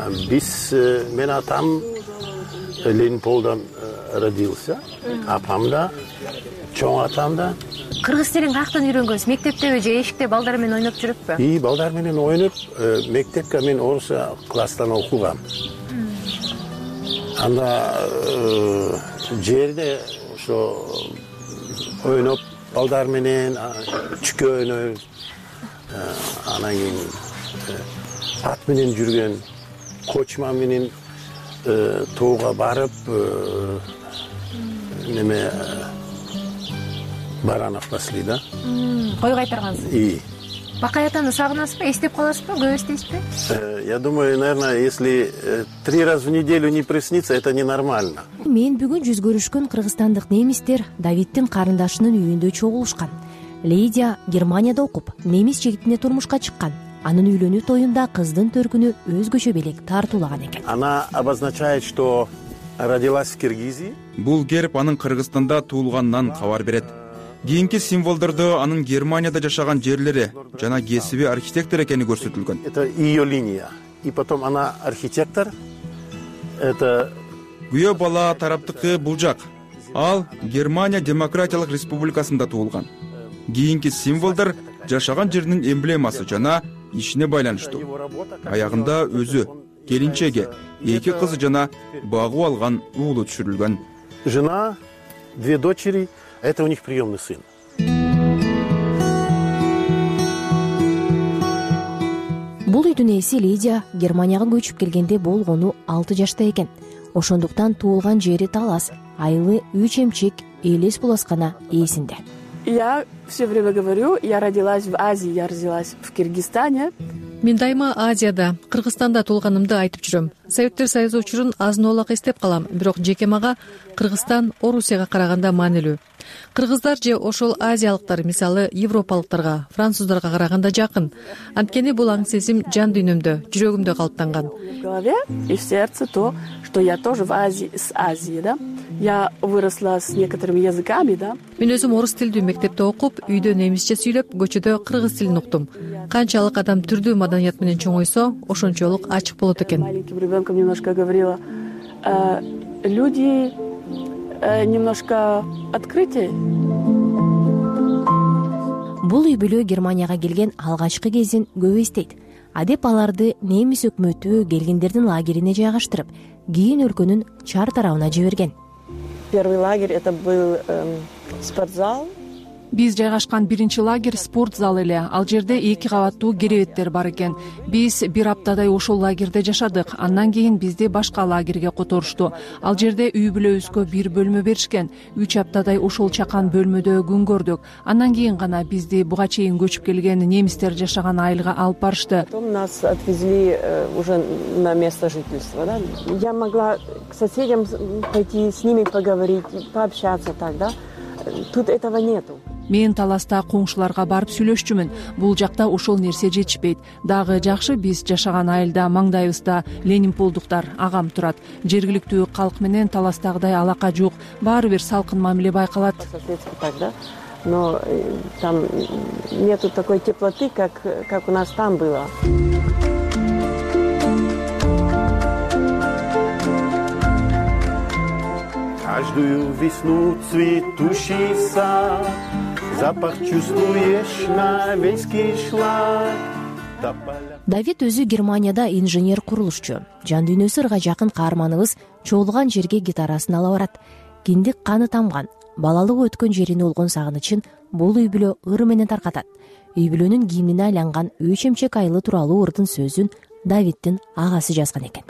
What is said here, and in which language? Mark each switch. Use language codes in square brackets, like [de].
[ky] Биз мен атам Леймполдан [ru] родился, [ky] апам да, чоң атам да. Кыргыз тилин кайяктан үйрөнгөнсүз? Мектептеби же эшикте балдар менен ойноп жүрүппү? И, балдар менен ойноп, мектепке мен орус класстан окугам. Анда жерде ошо ойноп, балдар менен чүкө ойнойбуз. Анан кийин ат менен жүргөн, кочма менен тууга барып неме баранак басли да. Кой кайтаргансыз. Бакай атаны сагынасызбы, эстеп каласызбы, көп эстейсизби? [ru] Я думаю, наверное, если 3 раза в неделю не приснится, это ненормально. [ky] Мен бүгүн жүз көрүшкөн кыргызстандык немистер Давидтин карындашынын үйүндө чогулушкан. Лидия Германияда окуп, немис чегитине турмушка чыккан. Анын үйлөнүү тоюнда кыздын төркүнү өзгөчө белек тартуулаган экен. [ru] Она обозначает, что родилась в Киргизии. [ky] Бул герб анын Кыргызстанда туулганынан кабар берет. Кийинки символдорду анын Германияда жашаган жерлери жана кесиби архитектор экени көрсөтүлгөн. [ru] Это ее линия. И потом она архитектор. Это [ky] күйөө бала тараптыкы бул жак. Ал Германия Демократиялык Республикасында туулган. Кийинки символдор жашаган жеринин эмблемасы жана ишине байланыштуу. Аягында өзү, келинчеги, эки кызы жана багуу алган уулу түшүрүлгөн. [ru] Жена, две дочери. Это у них приемный сын. [ky] Бул үйдүн ээси Лидия Германияга көчүп келгенде болгону 6 жашта экен. Ошондуктан туулган жери Талас, айылы үч эмчек Элес Буласкана ээсинде. [ru] Я все время говорю, я родилась в Азии, я родилась в Киргизстане. [ky] Мен дайыма Азияда, Кыргызстанда туулганымды айтып жүрөм. Советтер Союзу учурун азноолак эстеп калам, бирок жеке мага Кыргызстан Орусияга караганда маанилүү. Кыргыздар же ошол азиялыктар, мисалы европалыктарга, француздарга караганда жакын. Анткени бул аң сезим жан дүйнөмдө, жүрөгүмдө калыптанган. [ru] И в сердце то, что я тоже в Азии, с Азии, да? Я выросла с некоторыми языками, да? [ky] Мен өзүм орус тилдүү мектепте окуп, үйдө немисче сүйлөп, көчөдө кыргыз тилин уктум. Канчалык адам түрдүү маданият менен чоңойсо, ошончолук ачык болот экен. [ru] Маленьким ребенком немножко говорила, люди немножко открытие. [ky] Бул үй бүлө Германияга келген алгачкы кезин көп эстейт. Адеп аларды немис өкмөтү келгендердин лагерине жайгаштырып, кийин өлкөнүн чар тарабына жиберген. [ru] Первый лагерь это был спортзал. [ky] Биз жайгашкан биринчи лагерь спорт зал эле. Ал жерде эки кабаттуу керебеттер бар экен. Биз бир аптадай ошол лагерде жашадык. Андан кийин бизди башка лагерге которушту. Ал жерде үй бүлөбүзгө бир бөлмө беришкен. Үч аптадай ошол чакан бөлмөдө күн көрдүк. Андан кийин гана бизди буга чейин көчүп келген немистер жашаган айылга алып барышты. [ru] Потом нас отвезли уже на место жительства, да? Я могла к соседям пойти с ними поговорить, пообщаться так, да? Тут этого нету. [ky] Мен Таласта коңшуларга барып сүйлөшчүмүн. Бул жакта ошол нерсе жетишпейт. Дагы жакшы биз жашаган айылда маңдайыбызда ленинполдуктар агам турат. Жергиликтүү калк менен Таластагыдай алака жок. Баары бир салкын мамиле байкалат. [ru] Но там нету такой теплоты, как у нас там было. Каждую весну цветущий сад, запах чувствуешь на весь кишлак. [ky] Давид өзү Германияда инженер курулушчу. Жан дүйнөсү ырга жакын каарманыбыз чогулган жерге гитарасын ала барат. Киндик каны тамган, балалык өткөн жерине болгон сагынычын бул үй бүлө ыр менен таркатат. Үй бүлөнүн гимнине айланган үч эмчек айылы тууралуу ырдын сөзүн Давидтин агасы жазган экен.